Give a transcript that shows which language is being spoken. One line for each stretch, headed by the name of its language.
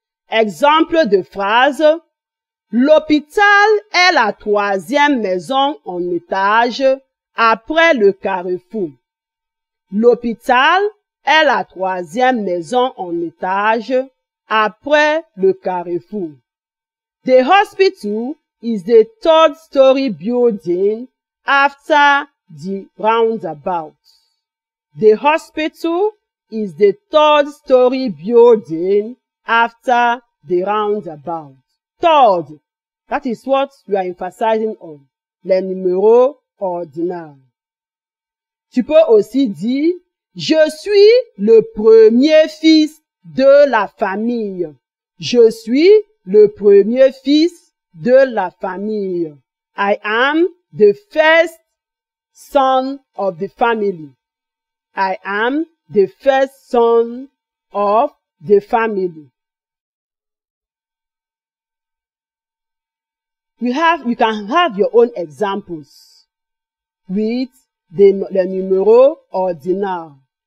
French: Exemple de phrase. L'hôpital est la troisième maison en étage après le carrefour. L'hôpital est la troisième maison en étage après le carrefour.
English: The hospital is the third story building after the roundabout. The hospital is the third story building after the roundabout. Third, that is what you are emphasizing on,
French: les numéros ordinaux. Tu peux aussi dire, je suis le premier fils de la famille. Je suis le premier fils de la famille.
English: I am the first son of the family. I am the first son of the family. You can have your own examples with the numéro ordinal.